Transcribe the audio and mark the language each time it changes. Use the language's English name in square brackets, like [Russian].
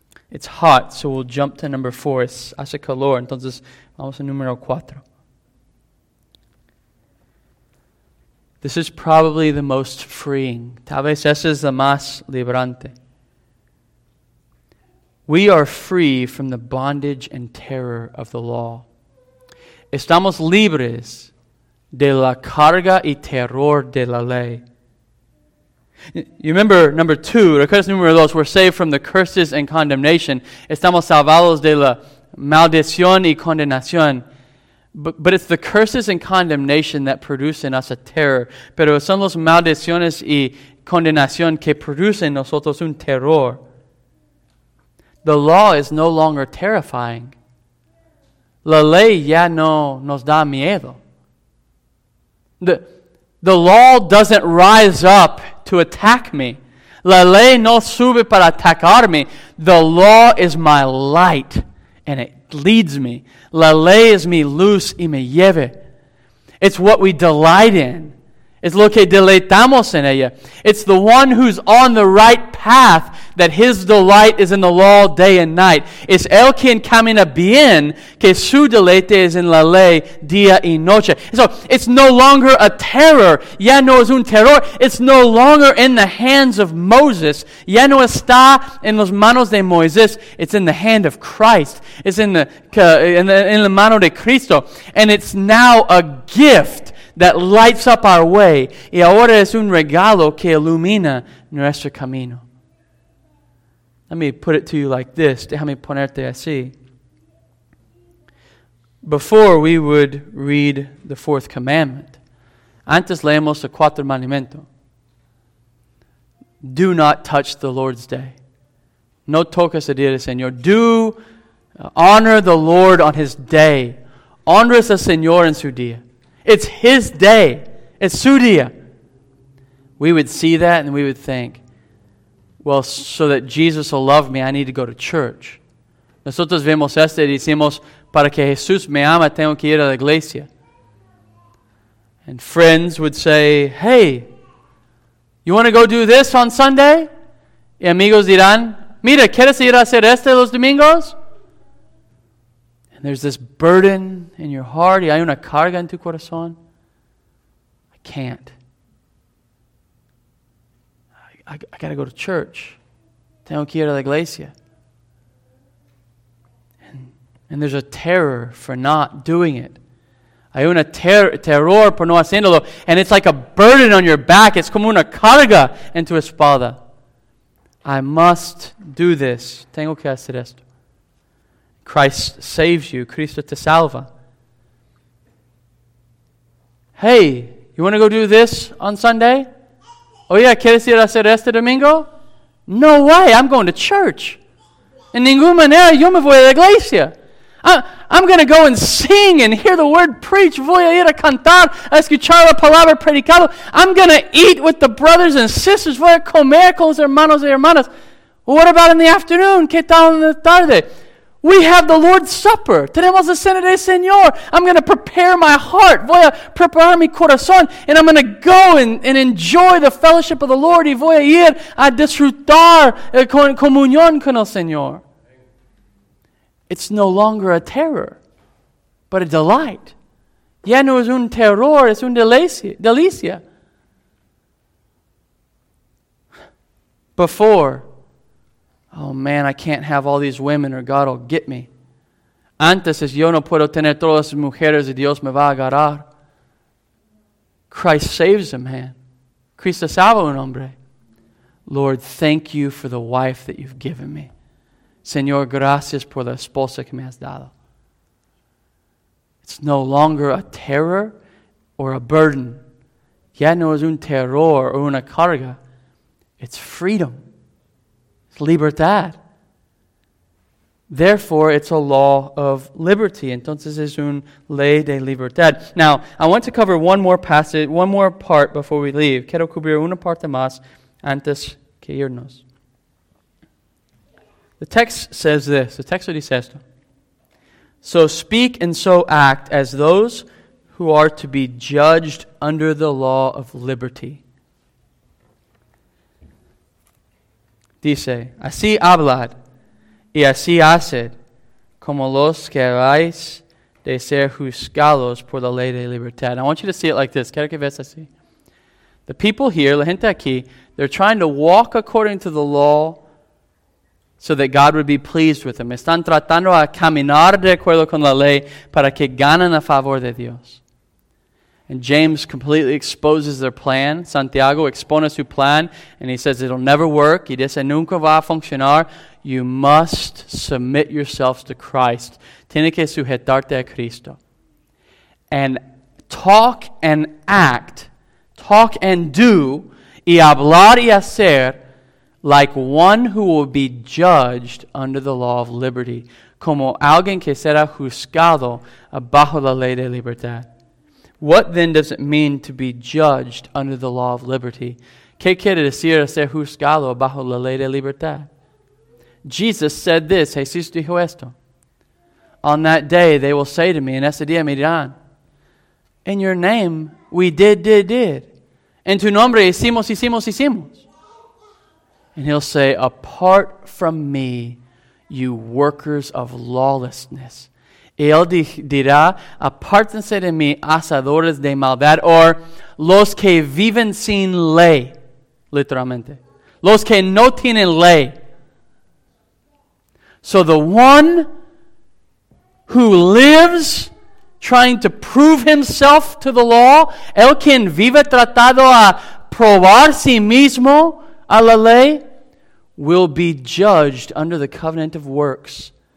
[English] It's hot, so we'll jump to number 4. [Spanish] Hace calor, entonces vamos a número 4. [English] This is probably the most freeing. [Spanish] Tal vez ese es la más liberante. [English] We are free from the bondage and terror of the law. [Spanish] Estamos libres de la carga y terror de la ley. [English] You remember number 2, [Spanish] recuerdas número 2, [English] we're saved from the curses and condemnation. [Spanish] Estamos salvados de la maldición y condenación. [English] But it's the curses and condemnation that produce in us a terror. [Spanish] Pero son las maldiciones y condenación que producen en nosotros un terror. [English] The law is no longer terrifying. [Spanish] La ley ya no nos da miedo. [English] The law doesn't rise up to attack me. [Spanish] La ley no sube para atacarme. [English] The law is my light and it leads me. [Spanish] La ley es mi luz y me lleva. [English] It's what we delight in. [Spanish] Es lo que deleitamos en ella. [English] It's the one who's on the right path that his delight is in the law day and night. [Spanish] Es el quien camina bien que su deleite es en la ley día y noche. [English] So it's no longer a terror. [Spanish] Ya no es un terror. [English] It's no longer in the hands of Moses. [Spanish] Ya no está en las manos de Moisés. [English] It's in the hand of Christ. It's in the [Spanish] mano de Cristo. [English] And it's now a gift that lights up our way. [Spanish] Y ahora es un regalo que ilumina nuestro camino. [English] Let me put it to you like this. [Spanish] Déjame ponerte así. [English] Before we would read the 4th commandment. [Spanish] Antes leemos el 4th mandamiento. [English] Do not touch the Lord's day. [Spanish] No toques el día del Señor. [English] Do honor the Lord on his day. [Spanish] Honres al Señor en su día. [English] It's his day. It's [Spanish] su día. [English] We would see that and we would think, well, so that Jesus will love me, I need to go to church. [Spanish] Nosotros vemos esto y decimos, para que Jesús me ama, tengo que ir a la iglesia. [English] And friends would say, hey, you want to go do this on Sunday? [Spanish] Y amigos dirán, mira, ¿quieres ir a hacer este los domingos? [English] There's this burden in your heart. [Spanish] Y hay una carga en tu corazón. [English] I can't. I got to go to church. [Spanish] Tengo que ir a la iglesia. [English] And there's a terror for not doing it. [Spanish] Hay una terror por no haciéndolo. [English] And it's like a burden on your back. It's [Spanish] como una carga en tu espalda. [English] I must do this. [Spanish] Tengo que hacer esto. [English] Christ saves you. [Spanish] Cristo te salva. [English] Hey, you want to go do this on Sunday? Oh yeah, [Spanish] ¿quieres ir a hacer este domingo? [English] No way, I'm going to church. [Spanish] En ninguna manera yo me voy a la iglesia. [English] I'm going to go and sing and hear the word preached. [Spanish] Voy a ir a cantar, a escuchar la palabra predicado. [English] I'm going to eat with the brothers and sisters. [Spanish] Voy a comer con los hermanos y hermanas. [English] What about in the afternoon? [Spanish] ¿Qué tal en la tarde? [English] We have the Lord's Supper. [Spanish] Tenemos la Cena del Señor. [English] I'm going to prepare my heart. [Spanish] Voy a preparar mi corazón. [English] And I'm going to go and enjoy the fellowship of the Lord. [Spanish] Y voy a ir a disfrutar con comunión con el Señor. [English] It's no longer a terror, but a delight. [Spanish] Ya no es un terror, es un delicia. [English] Before, oh man, I can't have all these women or God will get me. [Spanish] Antes es yo no puedo tener todas las mujeres y Dios me va a agarrar. [English] Christ saves a man. [Spanish] Cristo salva un hombre. [English] Lord, thank you for the wife that you've given me. [Spanish] Señor, gracias por la esposa que me has dado. [English] It's no longer a terror or a burden. [Spanish] Ya no es un terror o una carga. [English] It's freedom. It's libertad. Therefore, it's a law of liberty. [Spanish] Entonces, es un ley de libertad. [English] Now, I want to cover one more passage, one more part before we leave. [Spanish] Quiero cubrir una parte más antes que irnos. [English] The text says this. The [Spanish] texto dice esto. [English] So speak and so act as those who are to be judged under the law of liberty. [Spanish] Dice, así hablad y así haced como los que habéis de ser juzgados por la ley de libertad. [English] I want you to see it like this. [Spanish] Quiero que veas así. [English] The people here, [Spanish] la gente aquí, [English] they're trying to walk according to the law so that God would be pleased with them. [Spanish] Están tratando a caminar de acuerdo con la ley para que ganen a favor de Dios. [English] And James completely exposes their plan. [Spanish] Santiago expone su plan, [English] and he says it'll never work. [Spanish] Y dice, nunca va a funcionar. [English] You must submit yourselves to Christ. [Spanish] Tiene que sujetarte a Cristo. [English] And talk and act, talk and do, [Spanish] y hablar y hacer, [English] like one who will be judged under the law of liberty, [Spanish] como alguien que será juzgado bajo la ley de libertad. [English] What then does it mean to be judged under the law of liberty? [Spanish] ¿Qué quiere decir ser juzgado bajo la ley de libertad? [English] Jesus said this, [Spanish] Jesús dijo esto. [English] On that day they will say to me, [Spanish] en ese día me dirán, [English] in your name we did. [Spanish] En tu nombre hicimos. [English] And he'll say, apart from me, you workers of lawlessness. [Spanish] Y él dirá, apártense de mí, asadores de maldad, or los que viven sin ley, literalmente. Los que no tienen ley. [English] So the one who lives trying to prove himself to the law, [Spanish] el quien vive tratado a probar sí mismo a la ley, [English] will be judged under the covenant of works.